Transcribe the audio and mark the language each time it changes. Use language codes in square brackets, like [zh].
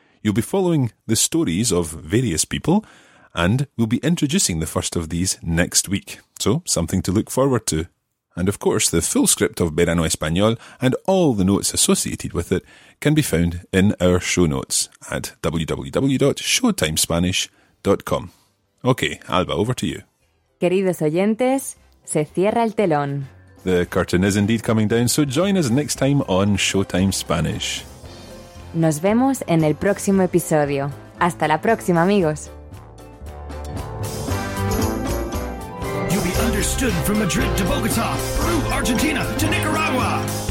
[en] You'll be following the stories of various people, and we'll be introducing the first of these next week. So, something to look forward to. And of course, the full script of Verano Español and all the notes associated with it can be found in our show notes at www.showtimespanish.com. Okay, Alba, over to you. [es] Queridos oyentes, se cierra el telón. [en] The curtain is indeed coming down, so join us next time on Showtime Spanish. [es] Nos vemos en el próximo episodio. Hasta la próxima, amigos. [en] You'll be understood from Madrid to Bogotá, through Argentina to Nicaragua.